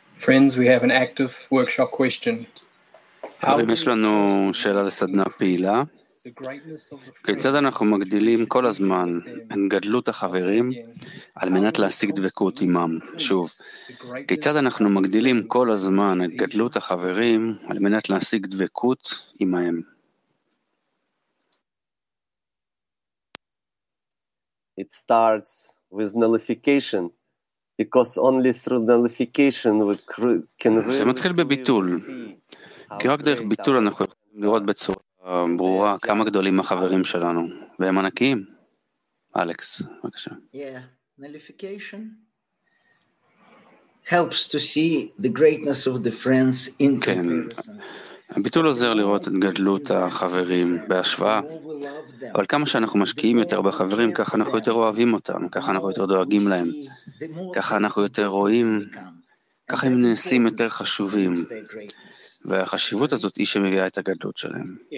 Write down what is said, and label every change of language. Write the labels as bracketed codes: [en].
[en] Friends, we have an active workshop question. [he] חברים, יש לנו שאלה לסדנה פעילה. כיצד אנחנו מגדילים כל הזמן את גדלות החברים על מנת להשיג דבקות עמם? שוב, כיצד אנחנו מגדילים כל הזמן את גדלות החברים על מנת להשיג דבקות עמהם? [en] It starts with nullification. Because only through nullification we can really [he] זה מתחיל בביטול. כי רק דרך ביטול אנחנו יכולים לראות בצורה ברורה כמה גדולים החברים שלנו, והם ענקיים. אלכס, בבקשה. [en] Yeah, nullification helps to see the greatness of the friends in comparison. [he] הביטול עוזר לראות את גדלות החברים בהשוואה. אבל כמה שאנחנו משקיעים יותר בחברים, ככה אנחנו יותר אוהבים אותם, ככה אנחנו יותר דואגים להם, ככה אנחנו יותר רואים, ככה הם נעשים יותר חשובים. והחשיבות הזאת היא שמביאה את הגדלות שלהם.